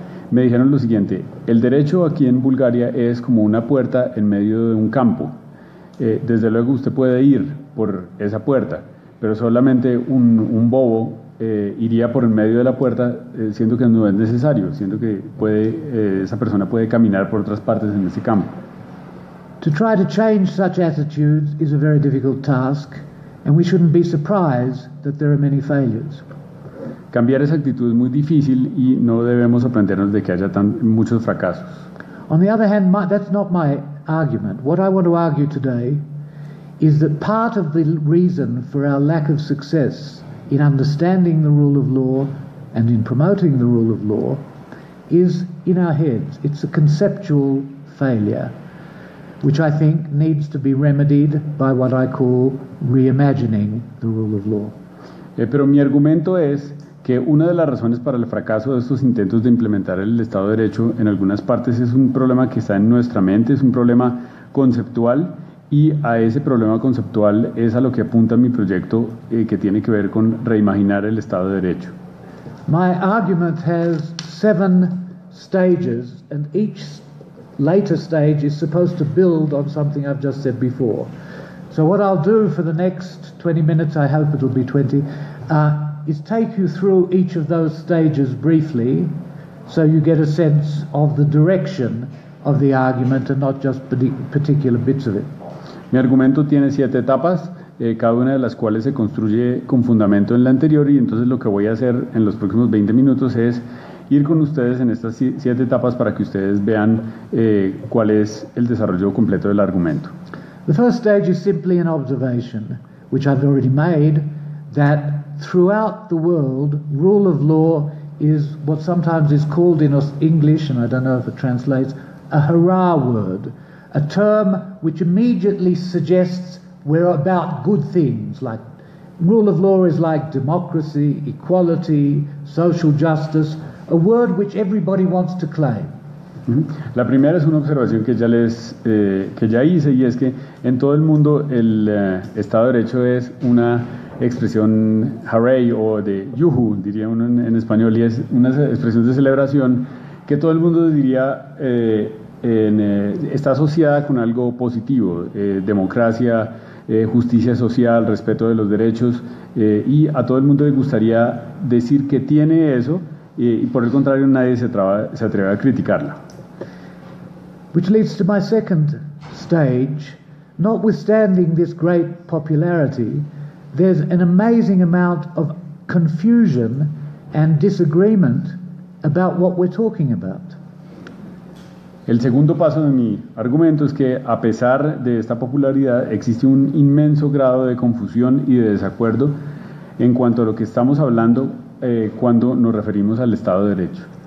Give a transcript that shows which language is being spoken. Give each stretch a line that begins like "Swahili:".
Spanish: Me dijeron lo siguiente: el derecho aquí en Bulgaria es como una puerta en medio de un campo. Desde luego, usted puede ir por esa puerta, pero solamente un bobo iría por el medio de la puerta, siendo que no es necesario, siendo que esa persona puede caminar por otras partes en ese campo.
English: To try to change such attitudes is a very difficult task, and we shouldn't be surprised that there are many failures.
Spanish: Cambiar esa actitud es muy difícil y no debemos sorprendernos de que haya muchos fracasos.
English: On the other hand, that's not my argument. What I want to argue today is that part of the reason for our lack of success in understanding the rule of law and in promoting the rule of law is in our heads. It's a conceptual failure, which I think needs to be remedied by what I call reimagining the rule of law.
Spanish: Pero mi argumento es que una de las razones para el fracaso de estos intentos de implementar el Estado de Derecho en algunas partes es un problema que está en nuestra mente, es un problema conceptual. Y a ese problema conceptual es a lo que apunta mi proyecto, que tiene que ver con reimaginar el Estado de Derecho.
English: My argument has 7 stages, and each later stage is supposed to build on something I've just said before. So what I'll do for the next 20 minutes, I hope it'll be 20, is take you through each of those stages briefly, so you get a sense of the direction of the argument and not just particular bits of it.
Spanish: Mi argumento tiene 7 etapas, cada una de las cuales se construye con fundamento en la anterior, y entonces lo que voy a hacer en los próximos 20 minutos es ir con ustedes en estas 7 etapas para que ustedes vean cuál es el desarrollo completo del argumento.
English: The first stage is simply an observation, which I've already made, that throughout the world, rule of law is what sometimes is called in English, and I don't know if it translates, a hurrah word. A term which immediately suggests we're about good things, like rule of law is like democracy, equality, social justice, a word which everybody wants to claim.
Spanish: La primera es una observación que ya hice, y es que en todo el mundo el Estado de Derecho es una expresión hooray o de yuhu, diría uno en español, y es una expresión de celebración que todo el mundo diría está asociada con algo positivo, democracia, justicia social, respeto de los derechos, y a todo el mundo le gustaría decir que tiene eso, y por el contrario nadie se atreve a criticarla.
English: Which leads to my second stage. Notwithstanding this great popularity, there's an amazing amount of confusion and disagreement about what we're talking about. El segundo paso de mi argumento es que, a pesar de esta popularidad, existe un inmenso grado de confusión y de desacuerdo en cuanto a lo que estamos hablando cuando nos referimos al Estado de Derecho.